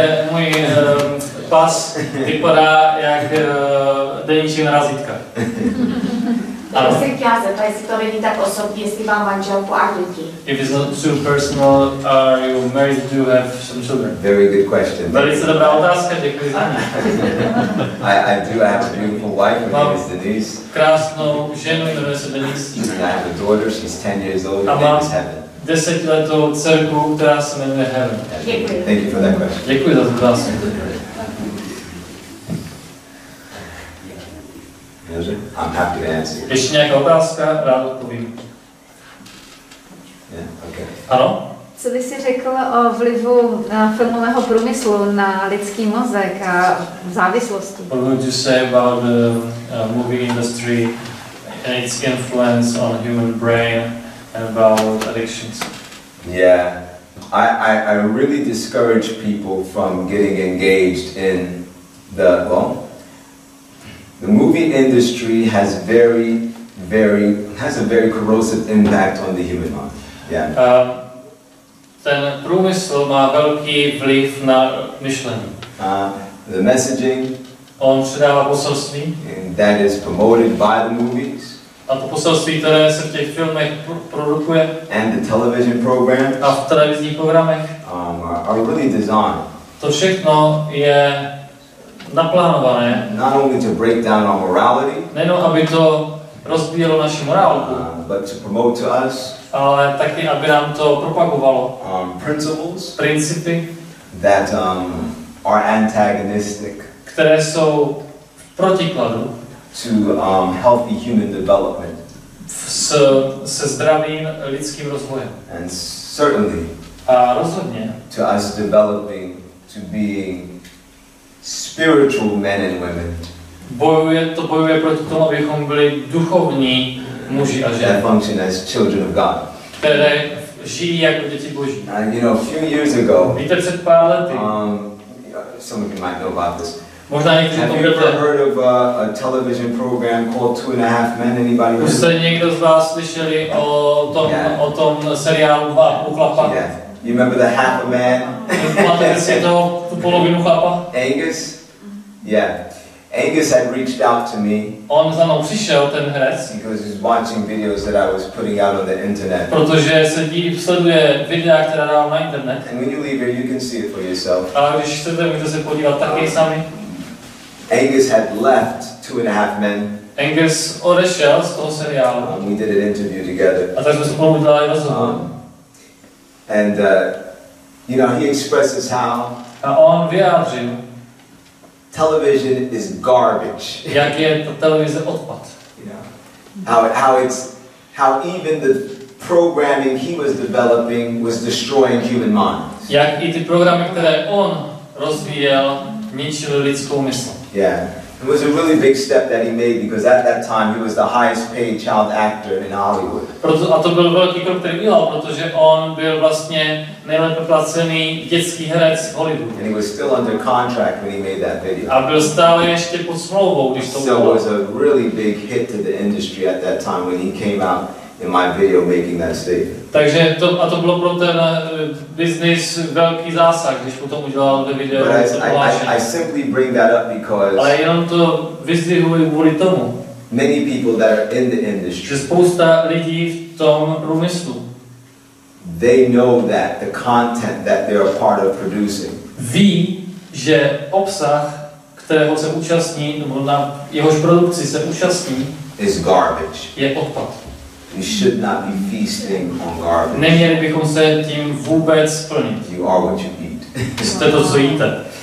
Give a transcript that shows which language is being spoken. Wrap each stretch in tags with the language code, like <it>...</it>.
<cs>Můj pas vypadá jak denníčí razítka. Já se chtěla zeptat, jestli to není tak osobní, jestli mám manželku a děti.</cs> <en>If it's not too personal, are you married? Do you have some children? Very good question.</en> <cs>Velice dobrá otázka, děkuji za ní.</cs> <en>I do have a beautiful wife, her name is Denise.</en> <cs>Krásnou ženu, jmenuje se Denise.</cs> <en>I have a daughter, she's 10 years old, her name is Heaven.</en> <cs>10-letou dcerku, která se jmenuje Helen. Děkuji.</cs> <en>Thank you for that question.</en> <cs>Děkuji za to,</cs> <en>dásky. I'm happy to answer.</en> <cs>Ještě nějaká otázka, rád odpovím.</cs> <en>Yeah, okay.</en> <cs>Ano? Co bys si řekl o vlivu filmového průmyslu na lidský mozek a závislosti?</cs> <en>What would you say about the movie industry and its influence on human brain? About addictions. Yeah, I really discourage people from getting engaged in the movie industry has very, very has a very corrosive impact on the human mind. Yeah.</en> <cs>Ten průmysl má velký vliv na myšlení.</cs> <en>The messaging.</en> <cs>On předává poselství.</cs> <en>That is promoted by the movies.</en> <cs>A to poselství, které se v těch filmech produkuje.</cs> <en>And the television programs.</en> <cs>A v televizních programech.</cs> <en>Are really designed.</en> <cs>To všechno je naplánované.</cs> <en>Not only to break down our morality.</en> <cs>Nejen aby to rozbíjelo naši morálku.</cs> <en>But to promote to us.</en> <cs>Ale taky, aby nám to propagovalo.</cs> <en>Principles.</en> <cs>Principy.</cs> <en>That are antagonistic.</en> <cs>Které jsou v protikladu.</cs> <en>To healthy human development.</en> <cs>Se zdravým lidským rozvojem.</cs> <en>And certainly.</en> <cs>A rozhodně.</cs> <en>To us developing to being spiritual men and women.</en> <cs>Bojuje proti tomu, abychom byli duchovní muži a ženy.</cs> <en>That function as children of God.</en> <cs>Které žijí jako děti Boží.</cs> <en>And you know, a few years ago,</en> <cs>víte, před pár lety,</cs> <en>some of you might know about this.</en> <cs>Možná někdo</cs> <en>have you ever heard of a television program called Two and a Half Men? Anybody?</en> <cs>Už jste někdo z vás slyšeli o tom, yeah, o tom seriálu Dva chlapa?</cs> <en>Yeah. You remember the half a man?</en> <cs>Pamatujete si to, tu polovinu chlapa?</cs> <en>Angus? Yeah. Angus had reached out to me.</en> <cs>On za mnou přišel, ten herec.</cs> <en>Because he's watching videos that I was putting out on the internet.</en> <cs>Protože se sleduje videa, která dávám na internet.</cs> <en>And when you leave here, you can see it for yourself.</en> <cs>A když chcete, můžete se podívat taky sami.</cs> <en>Angus had left Two and a Half Men.</en> <cs>Angus odešel z toho seriálu.</cs> <en>We did an interview together.</en> <cs>A tak jsme spolu udělali rozhovor.</cs> <en>And you know, he expresses how.</en> <cs>A on vyjádřil.</cs> <en>Television is garbage.</en> <cs>Jak je ta televize odpad.</cs> <en>You know, how even the programming he was developing was destroying human minds.</en> <cs>Jak i ty programy, které on rozvíjel, ničili lidskou mysl.</cs> <en>Yeah, it was a really big step that he made because at that time he was the highest paid child actor in Hollywood.</en> <cs>Proto, a to byl velký krok, který udělal, protože on byl vlastně nejlépe placený dětský herec v Hollywoodu.</cs> <en>And he was still under contract when he made that video.</en> <cs>A byl stále ještě pod smlouvou, když to bylo.</cs> <en>So it was a really big hit to the industry at that time when he came out in my video making that statement.</en> <cs>Takže to, a to bylo pro ten business velký zásah, když potom udělal ve videu.</cs> <en>I simply bring that up because.</en> <cs>Ale jenom to vyzdvihuji kvůli tomu.</cs> <en>Many people that are in the industry.</en> <cs>Spousta lidí v tom průmyslu.</cs> <en>They know that the content that they are part of producing.</en> <cs>Ví, že obsah, kterého se účastní, nebo na jehož produkci se účastní,</cs> <en>is garbage.</en> <cs>Je odpad.</cs> <en>You should not be feasting on garbage.</en> <cs>Neměli bychom se tím vůbec plnit.</cs> <en>You are what you eat.</en> <cs>Jste to, co jíte.</cs>